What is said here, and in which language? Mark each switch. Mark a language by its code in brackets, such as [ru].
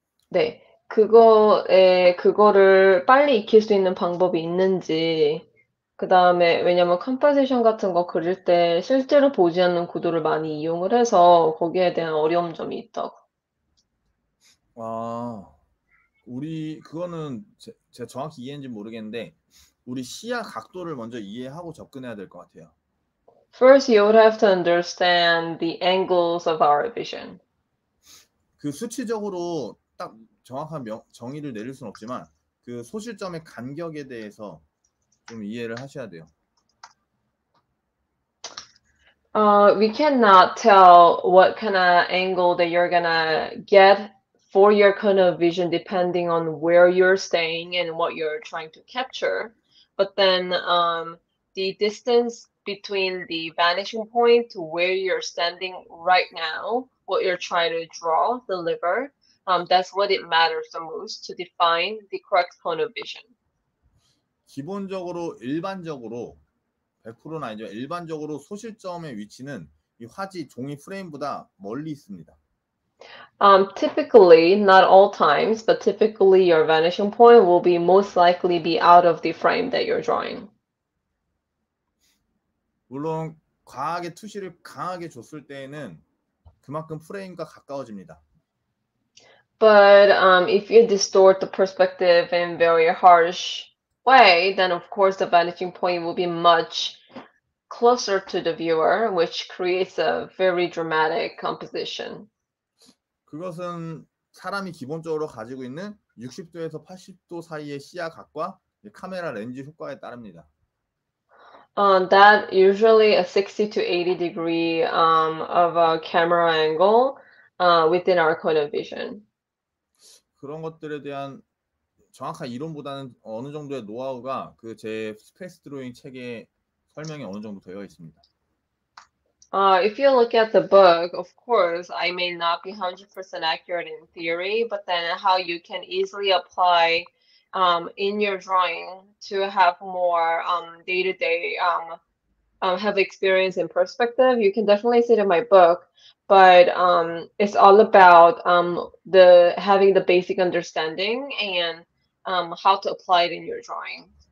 [ko] 네, 그거를 빨리 익힐 수 있는 방법이 있는지, 그 다음에, 왜냐면 컴포지션 같은 거 그릴 때 실제로 보지 않는 구도를 많이 이용을 해서 거기에 대한 어려운 점이 있다고. 와, 우리 그거는 제가 정확히 이해했는지 모르겠는데 우리 시야 각도를 먼저 이해하고 접근해야 될것 같아요. [en] First, you would have to understand the angles of our vision. [ko] 그 수치적으로 딱 정확한 정의를 내릴 순 없지만 그 소실점의 간격에 대해서 좀 이해를 하셔야 돼요. [en] We cannot tell what kind of angle that you're gonna get for your kind of vision depending on where you're staying and what you're trying to capture. But then, the distance between the vanishing point to where you're standing right now, what you're trying to draw, deliver, that's what it matters the most to define the correct cone of vision. [ko] 기본적으로 일반적으로 100%는 아니죠. 일반적으로 소실점의 위치는 이 화지 종이 프레임보다 멀리 있습니다. [en] Typically, not all times, but typically your vanishing point will be most likely be out of the frame that you're drawing. [ko] 물론 과하게 투시를 강하게 줬을 때에는 그만큼 프레임과 가까워집니다. [en] But if you distort the perspective in very harsh way, then of course the vanishing point will be much closer to the viewer, which creates a very dramatic composition. [ko] 그것은 사람이 기본적으로 가지고 있는 60도에서 80도 사이의 시야 각과 카메라 렌즈 효과에 따릅니다. [en] That usually a 60 to 80 degree of a camera angle within our cone of vision. [ko] 그런 것들에 대한 정확한 이론보다는 어느 정도의 노하우가 그제 스페이스 드로잉 책에 설명이 어느 정도 되어 있습니다. [en] If you look at the book, of course, I may not be 100% accurate in theory, but then how you can easily apply in your drawing to have more day-to-day have experience and perspective, you can definitely see it in my book, but it's all about the having the basic understanding and how to apply it in your drawing.